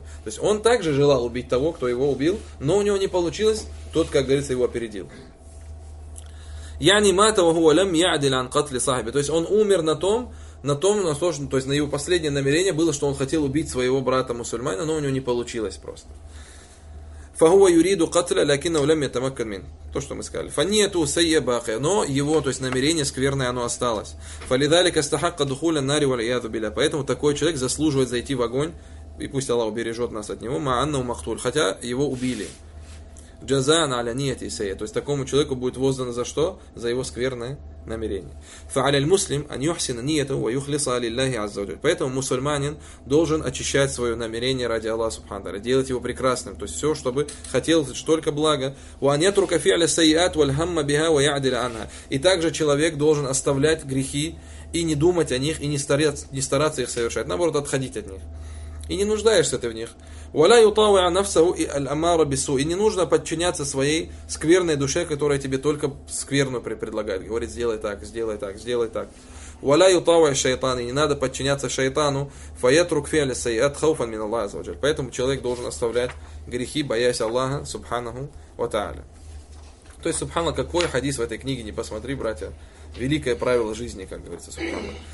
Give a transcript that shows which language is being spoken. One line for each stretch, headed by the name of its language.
Russian: То есть он также желал убить того, кто его убил, но у него не получилось, тот, как говорится, его опередил.
Arabic: «Яни мата ва хуа лям яадиль ан катли сахаби».
Russian: То есть он умер то есть на его последнее намерение было, что он хотел убить своего брата-мусульмана, но у него не получилось просто.
Arabic: فهو يريد قتل لكنه لم يتمكن منه.
Russian: То, что мы сказали.
Arabic: فنيته سيئة باقية.
Russian: Но его, то есть намерение скверное, оно осталось.
Arabic: فلذلك استحق دخول النار والعياذ بالله.
Russian: Поэтому такой человек заслуживает зайти в огонь, и пусть Аллах убережет нас от него,
Arabic: مع أنه مقتول.
Russian: Хотя его убили.
Arabic: جزاء على نيته سيئة.
Russian: То есть такому человеку будет воздано за что? За его скверное намерение.
Arabic: فعلى المسلم أن يحسن نيته ويخلص لله عز وجل.
Russian: Поэтому мусульманин должен очищать свое намерение ради Аллаха субхана ва тааля, делать его прекрасным, то есть все, чтобы хотел только блага.
Arabic: وأن يترك فعل السيئات والهم بها ويعدل عنها.
Russian: И также человек должен оставлять грехи и не думать о них, и не стараться их совершать, наоборот, отходить от них. И не нуждаешься ты в них.
Arabic: ولا يطاوع نفسه الأمارة بالسوء.
Russian: И не нужно подчиняться своей скверной душе, которая тебе только скверну предлагает. Говорит: сделай так, сделай так, сделай так.
Arabic: ولا يطاوع الشيطان.
Russian: И не надо подчиняться шайтану.
Arabic: فيترك فعل السيئات خوفا من الله عز وجل.
Russian: Поэтому человек должен оставлять грехи, боясь Аллаха субханаху ва тааля. То есть, субханаллах, какой хадис в этой книге, не посмотри, братья. Великое правило жизни, как говорится, субханаллах.